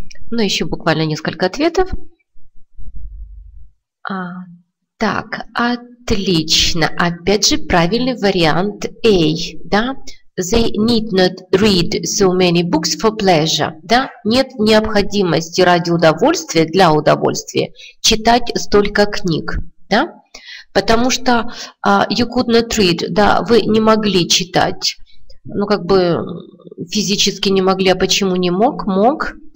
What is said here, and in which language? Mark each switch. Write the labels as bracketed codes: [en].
[ru] Ну, еще буквально несколько ответов. Так, отлично. Опять же, правильный вариант A, да? [en] They need not read so many books for pleasure. [ru] Да? Нет необходимости ради удовольствия, для удовольствия, читать столько книг. Да? Потому что [en] you could not read, [ru] да, вы не могли читать. Ну, как бы физически не могли, а почему не мог? Мог.